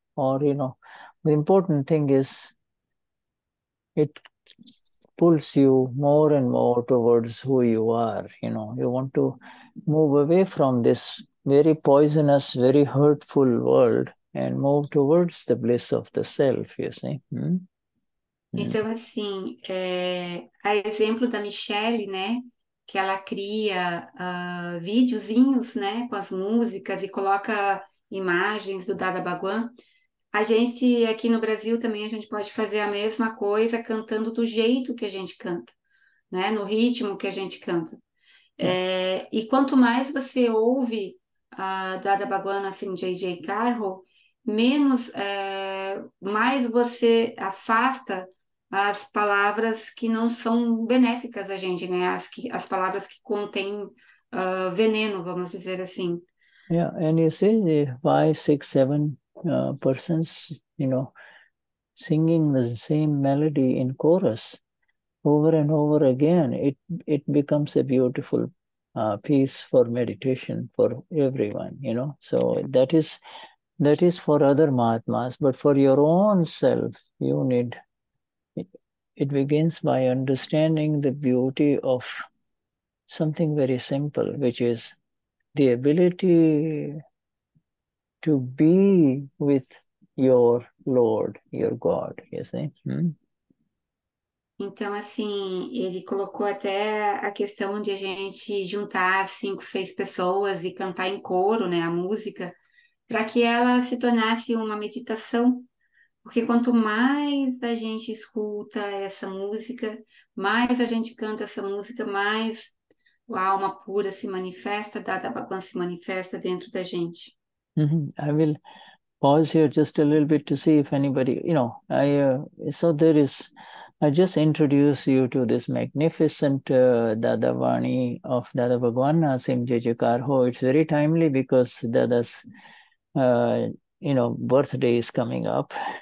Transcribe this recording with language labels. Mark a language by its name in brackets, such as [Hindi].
[English] Or, you know, the important thing is it pulls you more and more towards who you are. You know, you want to move away from this very poisonous, very hurtful world and move towards the bliss of the self, you see. [Portuguese] Então, assim, a exemplo da Michelle, né, que ela cria videozinhos, né, com as músicas e coloca imagens do Dada Bhagwan. A gente aqui no Brasil também a gente pode fazer a mesma coisa cantando do jeito que a gente canta, né, no ritmo que a gente canta. E quanto mais você ouve a Dada Bhagwan assim, JJ Carro, menos mais você afasta as palavras que não são benéficas a gente, né? As palavras que contêm veneno, vamos dizer assim. [English] Yeah, and you see the 5, 6, 7 persons, you know, singing the same melody in chorus over and over again, it becomes a beautiful piece for meditation for everyone, you know. So that is for other Mahatmas, but for your own self, you need it. It begins by understanding the beauty of something very simple, which is the ability to be with your Lord, your God, you see? [Portuguese] Então, assim, ele colocou até a questão de a gente juntar 5, 6 pessoas e cantar em coro, né, a música, para que ela se tornasse uma meditação. Porque quanto mais a gente escuta essa música, mais a gente canta essa música, mais a alma pura se manifesta, Dada Bhagwan se manifesta dentro da gente. [English] I will pause here just a little bit to see if anybody, you know, I just introduce you to this magnificent Dadavani of Dada Bhagwan Na Aseem Jejekarho. It's very timely because Dada's, you know, birthday is coming up.